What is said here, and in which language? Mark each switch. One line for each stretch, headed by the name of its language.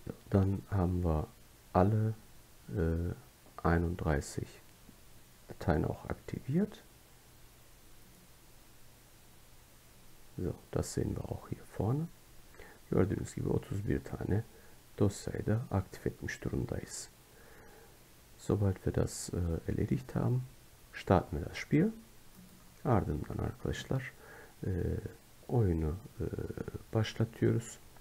German: Dann haben wir alle 31 Dateien auch aktiviert. So, das sehen wir auch hier vorne.
Turkish: Gördüğünüz gibi 31 tane Dosyayı da aktif etmiş durumdayız.
German: Sobald wir das erledigt haben, starten wir das Spiel.
Turkish: Ardından arkadaşlar oyunu başlatıyoruz.